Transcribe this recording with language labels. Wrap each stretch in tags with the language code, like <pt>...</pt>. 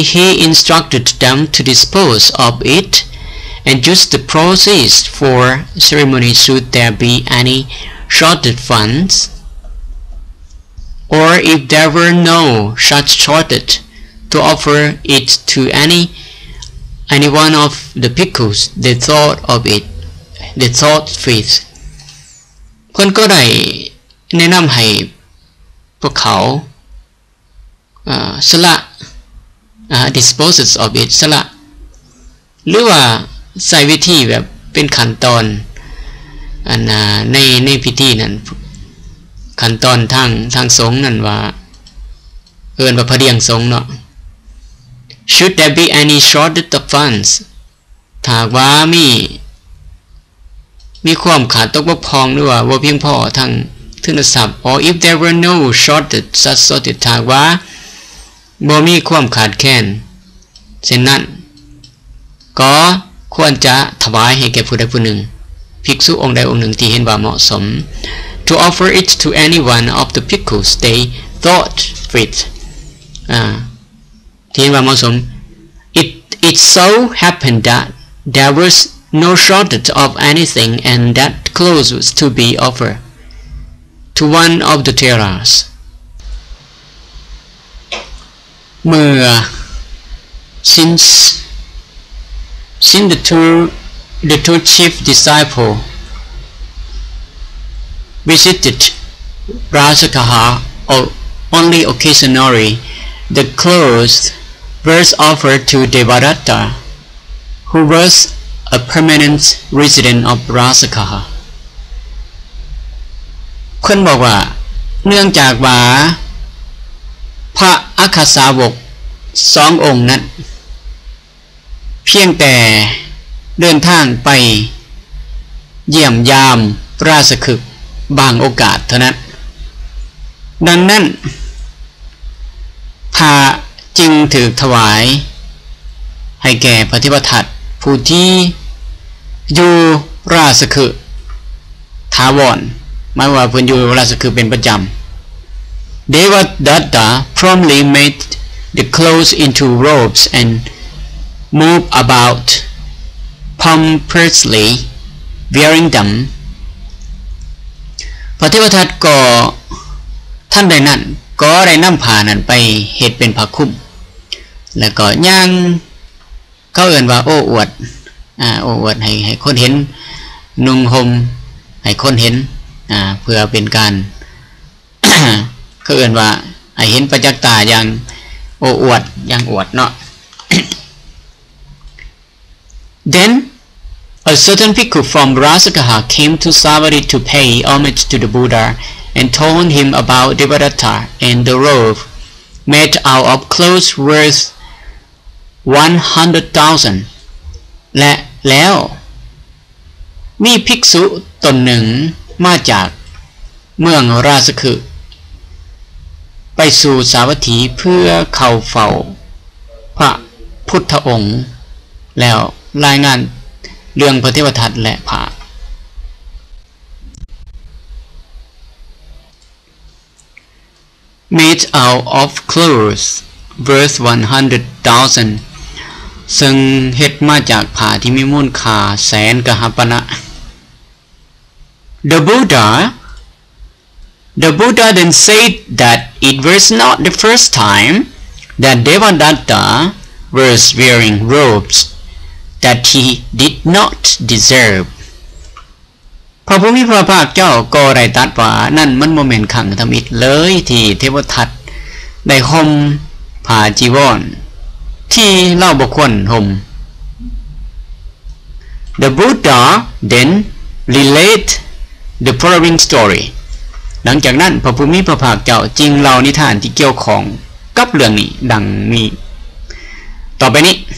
<en>He instructed them to dispose of itAnd use the proceeds for ceremony should there be any shorted funds, or if there were no such shorted, to offer it to any one of the bhikkhus they thought of it, they thought fit.</en> <th>คนก็ได้แนะนำให้พวกเขาสละ</th> <en>disposes of it</en> <th>สละหรือว่าใส่วิธีแบบเป็นขั้นตอนในพิธีนั้นขั้นตอนทางสงฆ์นั้นว่าเอิ้นว่าพระเดียงสงฆ์เนาะ</th> <en>Should there be any shortage of funds</en> <th>ถ้าว่ามีความขาดตกบกพร่องหรือว่าบ่เพียงพอทางทุนทรัพย์</th> <en>or if there were no shortage such sort</en> <th>ถ้าว่าบ่มีความขาดแคลนเช่นนั้นก็ควรจะถวายให้แก่ผู้ใดผู้หนึ่งภิกษุองค์ใดองค์หนึ่งที่เห็นว่าเหมาะสม</th> <en>to offer it to any one of the bhikkhus they thought fit</en> <th>ที่เห็นว่าเหมาะสม</th> <en>it so happened that there was no shortage of anything and that clothes was to be offered to one of the theras</en> <th>เมื่อ</th> <en>since the two chief disciples visited Rajagaha only occasionally, the clothes were offered to Devadatta, who was a permanent resident of Rajagaha.</en> <th>คนบอกว่าเนื่องจากว่าพระอัคคสาวกสององค์นั้นเพียงแต่เดินทางไปเยี่ยมยามราชคฤห์บางโอกาสเท่านั้นดังนั้น พาจึงถือถวายให้แก่พระทิพทัตผู้ที่อยู่ราชคฤห์ถาวรหมายว่าเพิ่นอยู่ราชคฤห์เป็นประจำ</th> <en>Devadatta promptly made the clothes into robes andmove about pompously wearing them</en> <th>พระเทวทัตก็ท่านใดนั้นก็ได้นำผ้านั้นไปเฮ็ดเป็นผ้าคลุมแล้วก็ย่างเข้าเอิ้นว่าโอ้อวดโอ้อวดให้คนเห็นนุ่งห่มให้คนเห็นเพื่อเป็นการ เขาเอิ้นว่าให้เห็นประจักษ์ตาอย่างโอ้อวดอย่างอวดเนาะ</th> <en>Then, a certain bhikkhu from Rajagaha came to Savari to pay homage to the Buddha and told him about Devadatta and the robe made out of clothes worth 100,000.</en> <th>และแล้วมีภิกษุตนหนึ่งมาจากเมืองราชคฤห์ไปสู่สาวัตถีเพื่อเข้าเฝ้าพระพุทธองค์แล้วรายงานเรื่องพระเทวทัตและผ้า</th> <en>made out of clothes worth 100,000</en> <th>ซึ่งเฮ็ดมาจากผ้าที่มีมูลค่าแสนกหปณะ</th> <en>The Buddha then said that it was not the first time that Devadatta was wearing robesthat he did not deserve</en> <th>พระผู้มีพระภาคเจ้าก็ได้ตรัสว่านั่นมันบ่แม่นครั้งทำอิดเลยที่เทวทัต ได้ห่มผ้าจีวรที่เราบ่ควรห่ม</th> <en>The Buddha then related the following story</en> <th>หลังจากนั้นพระภูมิพระภาคเจ้าจึงเล่านิทานที่เกี่ยวของกับเรื่องนี้ดังนี้ต่อไปนี้</th>